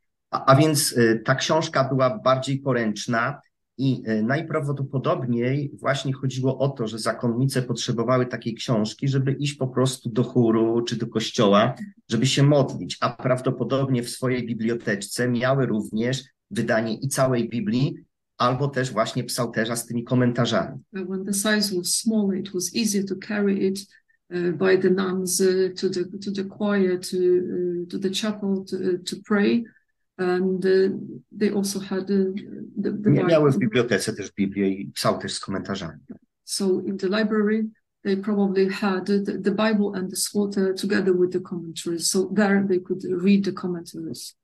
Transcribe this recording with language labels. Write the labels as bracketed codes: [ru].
[pl] A więc ta książka była bardziej poręczna i najprawdopodobniej właśnie chodziło o to, że zakonnice potrzebowały takiej książki, żeby iść po prostu do chóru czy do kościoła, żeby się modlić, a prawdopodobnie w swojej biblioteczce miały również wydanie i całej Biblii, albo też właśnie psalterza z tymi komentarzami. [en] When the size was smaller, it was easier to carry it by the nuns to the choir, to the chapel to pray, and they also had the [pl] miały w bibliotece też Biblię i psalterz z komentarzami. [en] So in the library they probably had the Bible and the psalter together with the commentaries, so there they could read the commentaries.